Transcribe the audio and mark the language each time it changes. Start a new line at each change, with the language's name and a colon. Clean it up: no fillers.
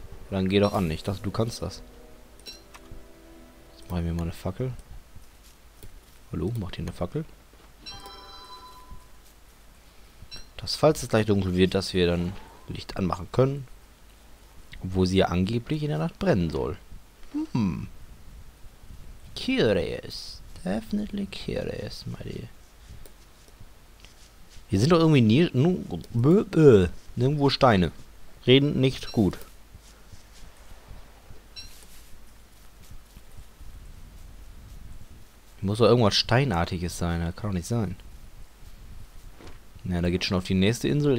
German: Dann geh doch an, ich dachte, du kannst das. Jetzt mache ich mir mal eine Fackel. Hallo, mach dir eine Fackel. Dass, falls es gleich dunkel wird, dass wir dann Licht anmachen können. Obwohl sie ja angeblich in der Nacht brennen soll.
English: Curious. Definitely curious, my dear.
German: Hier sind doch irgendwie nirgendwo Steine. Reden nicht gut. Muss doch irgendwas Steinartiges sein. Das kann doch nicht sein. Na, da geht's schon auf die nächste Insel.